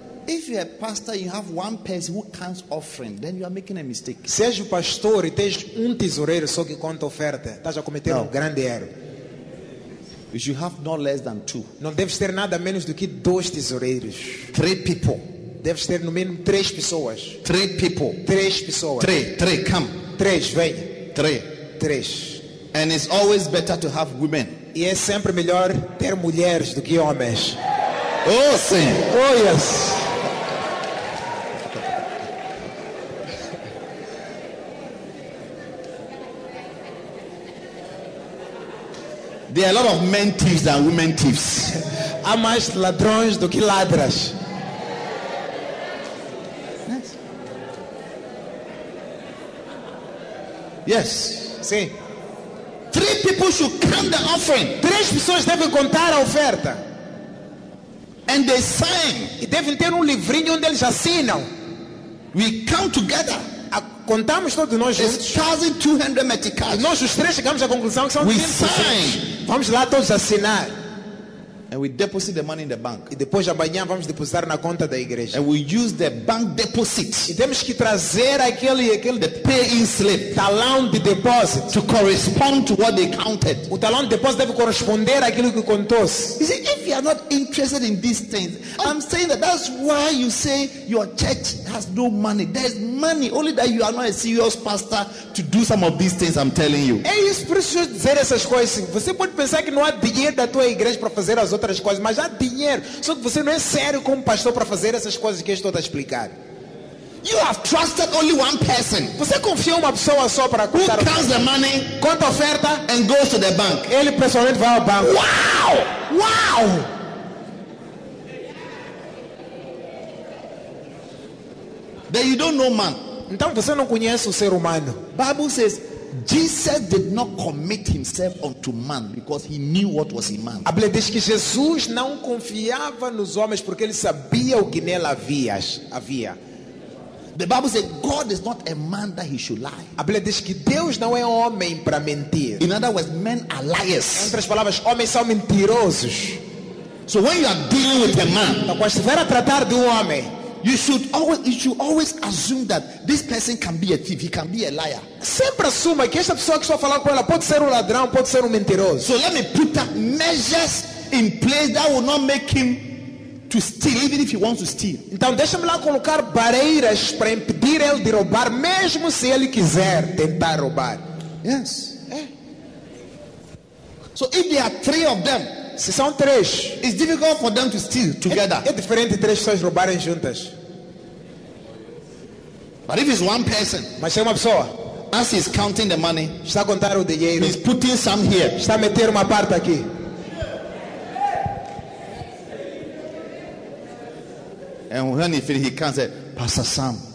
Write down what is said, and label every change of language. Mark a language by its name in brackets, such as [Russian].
[English] if you're a pastor, you have one person who counts offering, then you are making a mistake. [Portuguese] Se és pastor e tens tesoureiro só que conta oferta, estás a cometer um grande erro. [English] You have not less than two. [Portuguese] Não deves ter nada menos do que dois tesoureiros. [English] Three people. [Portuguese] Deves ter no mínimo três pessoas. [English] Three people. [Portuguese] Três pessoas. [English] Three, come. [Portuguese] Três, venha. Três. [English] And it's always better to have women. [Portuguese] E é sempre melhor ter mulheres do que homens. Oh, sim. [English] Oh, yes. There are a lot of men thieves than women thieves. [Portuguese] Há mais ladrões do que ladras. [English] Yes. Yes. [Portuguese] Sim. [English] Three people should count the offering. [Portuguese] Três pessoas devem contar a oferta. [English] And they sign. [Portuguese] E devem ter livrinho onde eles assinam. [English] We count together. [Portuguese] Contamos todos nós juntos. [English] It's 200 meticais. [Portuguese] Nós os três chegamos à conclusão que são 200. Vamos lá todos assinar. [English] And we deposit the money in the bank. [Portuguese] E depois de amanhã vamos depositar na conta da igreja. [English] And we use the bank deposit. [Portuguese] E temos que trazer aquele [English] the pay-in slip, [Portuguese] talão de depósito, [English] to correspond to what they counted. [Portuguese] O talão de depósito deve corresponder àquilo que contou-se. [English] You see, if you are not interested in these things, I'm saying that's why you say your church has no money. There's money, only that you are not a serious pastor to do some of these things I'm telling you. [Portuguese] É isso, por isso dizer essas coisas. Você pode pensar que não há dinheiro da tua igreja para fazer as outras coisas, mas há dinheiro, só que você não é sério como pastor para fazer essas coisas que eu estou a explicar. [English] You have trusted only one person. [Portuguese] Você confiou uma pessoa só para contar. [English] Who counts the money? [Portuguese] Conta a oferta [English] and goes to the bank. [Portuguese] Ele pessoalmente vai ao banco. Wow! Wow! [English] Then you don't know man. [Portuguese] Então você não conhece o ser humano. [English] Bible says Jesus did not commit himself unto man because he knew what was in man. [Portuguese] A Bíblia diz que Jesus não confiava nos homens porque ele sabia o que nela havia. [English] The Bible says God is not a man that he should lie. [Portuguese] A Bíblia diz que Deus não é homem para mentir. [English] In other words, men are liars. [Portuguese] Em outras palavras, homens são mentirosos. [English] So when you are dealing with a man, [Portuguese] então, quando estiver a tratar de homem, [English] You should always assume that this person can be a thief, he can be a liar. [Portuguese] Sempre assuma que esta pessoa que estou a falar com ela pode ser ladrão, pode ser mentiroso. [English] So let me put up measures in place that will not make him to steal, even if he wants to steal. [Portuguese] Então deixa-me lá colocar barreiras para impedir ele de roubar, mesmo se ele quiser tentar roubar. [English] Yes. So if there are three of them, [Portuguese] se são três, [English] it's difficult for them to steal together. [Portuguese] É diferente três pessoas roubarem juntas. [English] But if it's one person, [Portuguese] mas se é uma pessoa, [English] as he's counting the money, [Portuguese] está a contar o dinheiro, [English] he's putting some here, [Portuguese] está a meter uma parte aqui. [English] And when he finishes, he can't say, Pastor Sam.